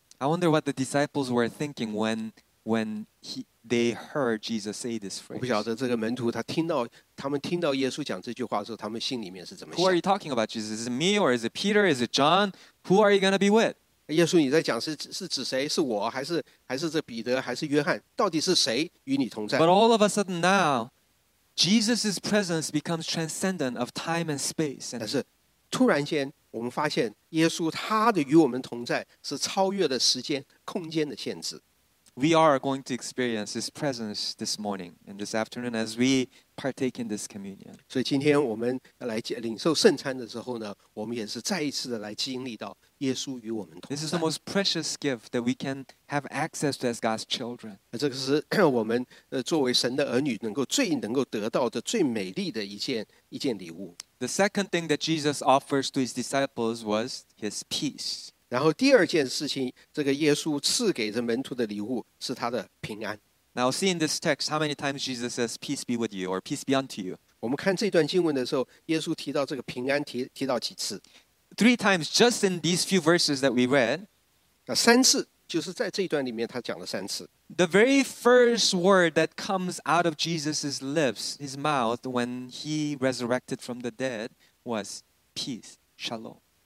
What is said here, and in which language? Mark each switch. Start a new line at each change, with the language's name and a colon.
English: I wonder what the disciples were thinking when they heard Jesus say this phrase.
Chinese: 我不晓得这个门徒他们听到耶稣讲这句话的时候，他们心里面是怎么想。
English: Who are you talking about, Jesus? Is it me or is it Peter? Is it John? Who are you going to be with?
Chinese: 耶稣你在讲是指谁？是我还是这彼得还是约翰？到底是谁与你同在？
English: But all of a sudden now, Jesus' presence becomes transcendent of time and space.
Chinese: 但是突然间， 我们发现耶稣他的与我们同在是超越了时间空间的限制。
English: We are going to experience his presence this morning and this afternoon as we partake in this communion.
Chinese: 所以今天我们来领受圣餐的时候呢, 我们也是再一次的来经历到耶稣与我们同在。
English: This is the most precious gift that we can have access to as God's children.
Chinese: 这个是我们作为神的儿女能够最能够得到的最美丽的一件礼物。
English: The second thing that Jesus offers to his disciples was his peace.
Chinese: 然后第二件事情, 这个耶稣赐给这门徒的礼物是他的平安。
English: Now see in this text how many times Jesus says, peace be with you or peace be unto you.
Chinese: 我们看这段经文的时候, 耶稣提到这个平安提到几次。
English: Three times just in these few verses that we read.
Chinese: 三次, 就是在这一段里面他讲了三次。
English: The very first word that comes out of Jesus' lips, his mouth, when he resurrected from the dead was peace, shalom.